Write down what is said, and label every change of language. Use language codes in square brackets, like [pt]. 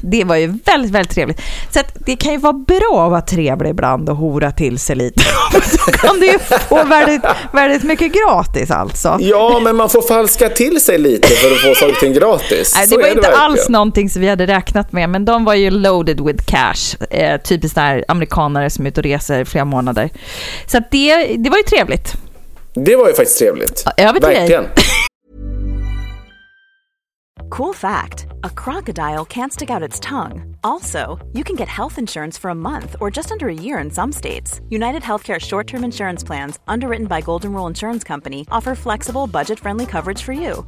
[sv] Det var ju väldigt, väldigt trevligt. Så att det kan ju vara bra att vara trevlig ibland och hora till sig lite. Då kan du ju få väldigt, väldigt mycket gratis alltså. Ja, men man får falska till sig lite för att få saker till gratis. Nej, det var inte alls någonting som vi hade räknat med. Men de var ju [en] loaded with cash. [sv] Typiskt där amerikanare som är ute och reser flera månader. Så att det var ju trevligt. Det var ju faktiskt trevligt. Över till verkligen. Dig. [en] Cool fact, a crocodile can't stick out its tongue. Also, you can get health insurance for a month or just under a year in some states. United Healthcare short-term insurance plans, underwritten by Golden Rule Insurance Company, offer flexible, budget-friendly coverage for you.